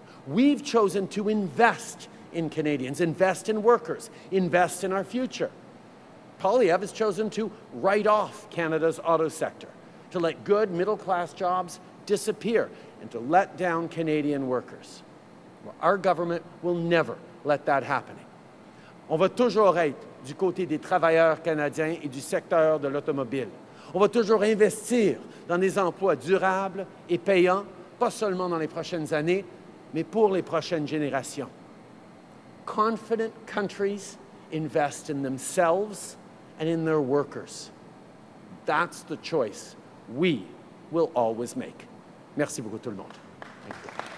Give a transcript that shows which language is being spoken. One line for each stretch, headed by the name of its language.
English: We've chosen to invest in Canadians, invest in workers, invest in our future. Poilievre has chosen to write off Canada's auto sector, to let good middle-class jobs disappear, and to let down Canadian workers. Well, our government will never let that happen.
French: On va toujours être du côté des travailleurs canadiens et du secteur de l'automobile. On va toujours investir dans des emplois durables et payants, pas seulement dans les prochaines années, mais pour les prochaines générations.
English: Confident countries invest in themselves and in their workers. That's the choice we will always make.
French: Merci beaucoup tout le monde.
English: Thank you.